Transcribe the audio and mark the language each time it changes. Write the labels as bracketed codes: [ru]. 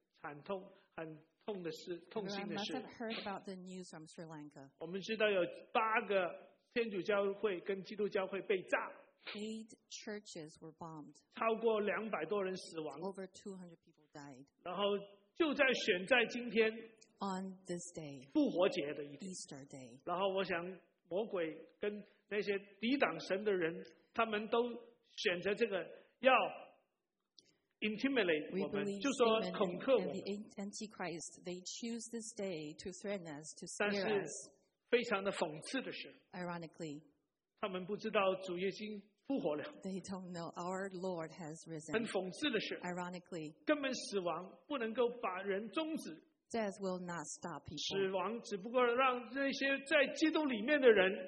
[zh] 我想大家都知道今天在斯里兰卡发生了一件很令人惨痛、很痛的事、痛心的事。 [en] You must have heard about the news from Sri Lanka. [zh] 我们知道有8个天主教会跟基督教会被炸。 [en] 8 churches were bombed. [zh] 超过200多人死亡。 [en] Over 200 people died. [zh] 然后就在选在今天, [en] on this day, [zh] 复活节的一天, [en] Easter day. [zh] 然后我想, 魔鬼跟那些抵挡神的人, 他们都选择这个, 要 intimidate 我们, 就说恐吓我们。 [en] Antichrist, they choose this day to threaten us, to scare us. [zh] 非常的讽刺的是 [en] ，ironically， [zh] 他们不知道主耶稣复活了。 [en] They don't know our Lord has risen。 [zh] 很讽刺的是 [en] ，ironically， [zh] 根本死亡不能够把人终止。 [en] Death will not stop people。 [zh] 死亡只不过让那些在基督里面的人